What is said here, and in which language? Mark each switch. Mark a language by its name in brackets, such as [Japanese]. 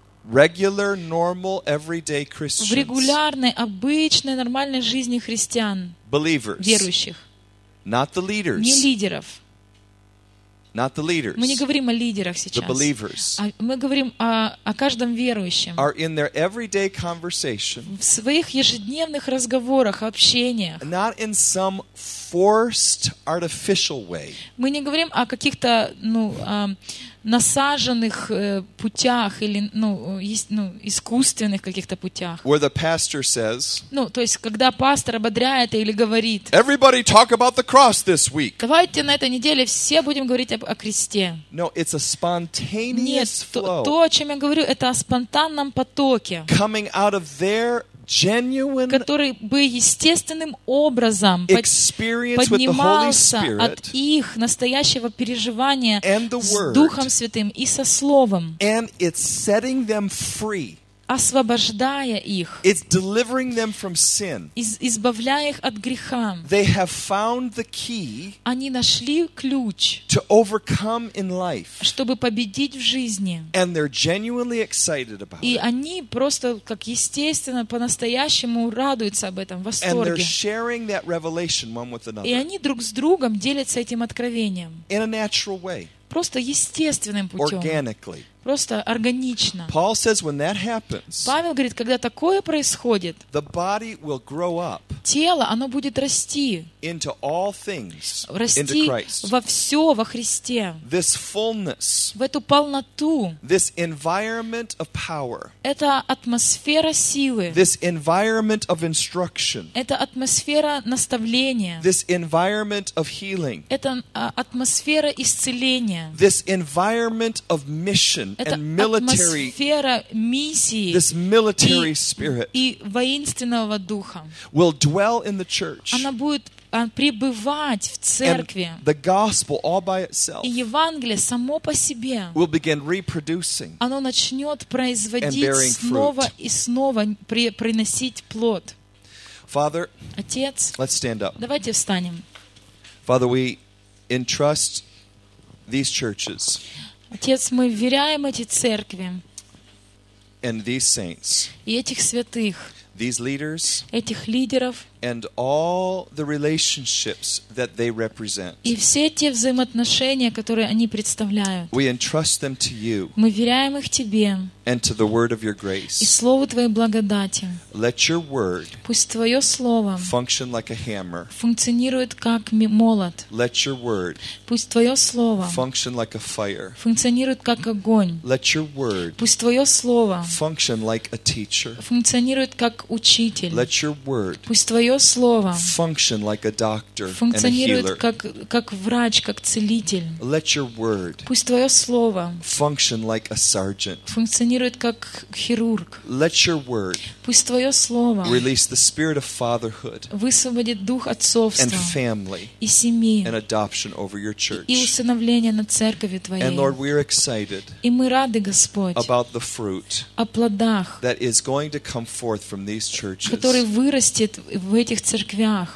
[English] regular, normal, everyday Christians, [Russian] в регулярной, обычной, нормальной жизни христиан, [English] believers, [Russian] верующих, [English] not the leaders, [Russian] не лидеров, [English] not the leaders, [Russian] мы не говорим о лидерах сейчас, [English] the believers, [Russian] а мы говорим о каждом верующем, [English] are in their everyday conversation, [Russian] в своих ежедневных разговорах, общениях, [English] not in some forced, artificial way, [Russian] мы не говорим о каких-то, насаженных путях или искусственных каких-то путях. [English] Where the pastor says, [Russian] то есть, когда пастор ободряет или говорит, [English] everybody talk about the cross this week. [Russian] Давайте на этой неделе все будем говорить о кресте. [English] No, it's a spontaneous flow. [Russian] Нет, то, о чем я говорю, это о спонтанном потоке, [English] coming out of their genuine, [Russian] который бы естественным образом поднимался от их настоящего переживания [English] word, [Russian] с Духом Святым и со Словом, [English] and it's setting them free, [Russian] освобождая их, [English] it's delivering them from sin, [Russian] избавляя их от греха. [English] They have found the key, [Russian] они нашли ключ, [English] to overcome in life, [Russian] чтобы победить в жизни, [English] and they're genuinely excited about [Russian] и [English] it. [Russian] Они просто, как естественно, по-настоящему радуются об этом, в восторге. [English] And they're sharing that revelation one with another. [Russian] И они друг с другом делятся этим откровением [English] in a natural way, [Russian] просто естественным путем, [English] organically, [Russian] просто органично. [English] Paul says, when that happens, [Russian] Павел говорит, когда такое происходит, [English] the body will grow up, [Russian] тело, оно будет расти, [English] into all things, [Russian] расти [English] into Christ, [Russian] во все, во Христе, [English] this fullness, [Russian] в эту полноту, [English] this environment of power, [Russian] это атмосфера силы, [English] this environment of instruction, [Russian] это атмосфера наставления, [English] this environment of healing, [Russian] это атмосфера исцеления, [English] this environment of mission, [Russian] это атмосфера миссии, [English] this military spirit, [Russian] и воинственного духа, [English] will dwell in the church, [Russian] она будет пребывать в церкви, [English] and the gospel all by itself, [Russian] и Евангелие само по себе, [English] will begin reproducing, [Russian] оно начнет производить снова и снова приносить плод. [English] Father, [Russian] Отец, [English] let's stand up. [Russian] Давайте встанем. [English] Father, we entrust these churches, [Russian] Отец, мы вверяем эти церкви [English] and these saints, [Russian] и этих святых, [English] these leaders, [Russian] этих лидеров [English] and all the relationships that they represent, [Russian] и все те взаимоотношения, которые они представляют. [English] We entrust them to you, [Russian] мы вверяем их Тебе [English] and to the word of your grace, [Russian] и Слову Твоей благодати. [English] Let your word, [Russian] пусть Твое Слово [English] function like a hammer, [Russian] функционирует как молот. [English] Let your word, [Russian] пусть Твое Слово [English] function like a fire, [Russian] функционирует как огонь. [English] Let your word, [Russian] пусть Твое Слово [English] function like a teacher, [Russian] функционирует как учитель. [English] Let your word, [Russian] пусть Твое Твое слово [English] function like a doctor [Russian] функционирует [English] and a healer. [Russian] Как врач, как целитель. [English] Let your word [Russian] пусть Твое слово [English] function like a sergeant. [Russian] Функционирует как хирург. [English] Let your word [Russian] пусть Твое слово [English] release the spirit of fatherhood [Russian] высвободит дух отцовства [English] and family [Russian] и семьи [English] and adoption over your church. [Russian] И усыновление над церковью Твоей. [English] And Lord, we are excited [Russian] и мы рады, Господь, [English] about the fruit [Russian] о плодах, [English] that is going to come forth from these churches, [Russian] который вырастет в этих церквях